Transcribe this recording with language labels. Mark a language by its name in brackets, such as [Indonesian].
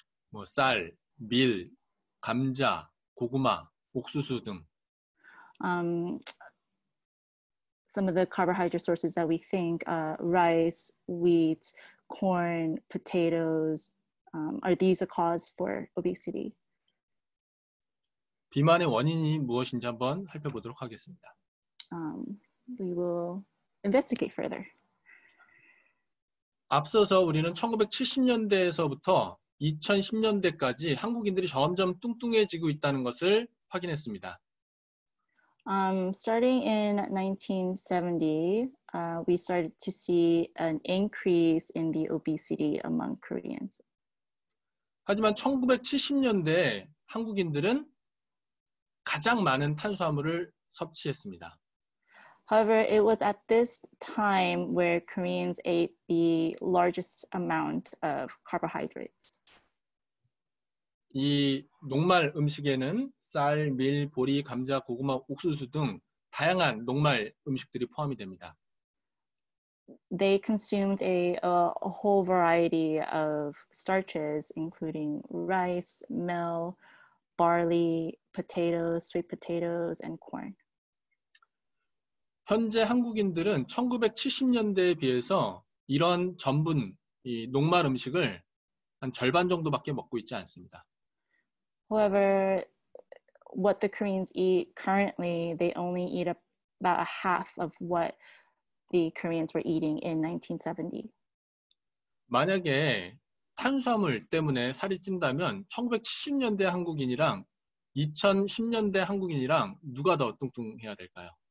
[Korean] 뭐 쌀, 밀, 감자, 고구마, 옥수수 등. [English] Some of the carbohydrate sources that we think rice, wheat, corn, potatoes, are these a cause for obesity? [Korean] 비만의 원인이 무엇인지 한번 살펴보도록 하겠습니다. [English] We will investigate further. [Korean] 앞서서 우리는 1970년대에서부터 2010년대까지 한국인들이 점점 뚱뚱해지고 있다는 것을 확인했습니다. [English] Starting in 1970, we started to see an increase in the obesity among Koreans. [Korean] 하지만 1970년대 한국인들은 가장 많은 탄수화물을 섭취했습니다. [English] However, it was at this time where Koreans ate the largest amount of carbohydrates. [Korean] 이 녹말 음식에는 쌀, 밀, 보리, 감자, 고구마, 옥수수 등 다양한 녹말 음식들이 포함이 됩니다. [English] They consumed a whole variety of starches, including rice, milk, barley, potatoes, sweet potatoes, and corn. [Korean] 현재 한국인들은 1970년대에 비해서 이런 전분, 이 녹말 음식을 한 절반 정도밖에 먹고 있지 않습니다. [English] However, what the Koreans eat currently, they only eat about a half of what the Koreans were eating in 1970. [Korean] 만약에 탄수화물 때문에 살이 찐다면 1970년대 한국인이랑 2010년대 한국인이랑 누가 더 뚱뚱해야 될까요?